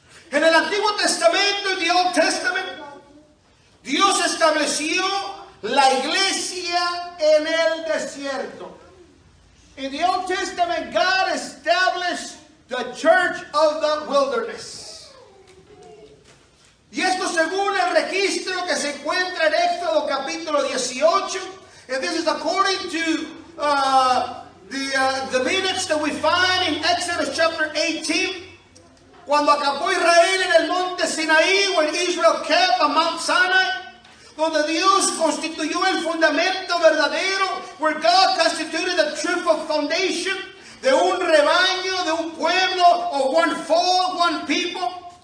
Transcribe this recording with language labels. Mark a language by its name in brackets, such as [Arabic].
[Spanish] En el Antiguo Testamento, [English] in the Old Testament, [Spanish] Dios estableció la iglesia en el desierto. [English] In the Old Testament, God established the church of the wilderness. [Spanish] Y esto según el registro que se encuentra en Éxodo capítulo 18. [English] And this is according to the minutes that we find in Exodus chapter 18. [Spanish] Cuando acampó Israel en el monte Sinaí, [English] when Israel camped on Mount Sinai, [Spanish] donde Dios constituyó el fundamento verdadero, [English] where God constituted the truthful foundation, [Spanish] de un rebaño, de un pueblo, [English] of one fold, one people.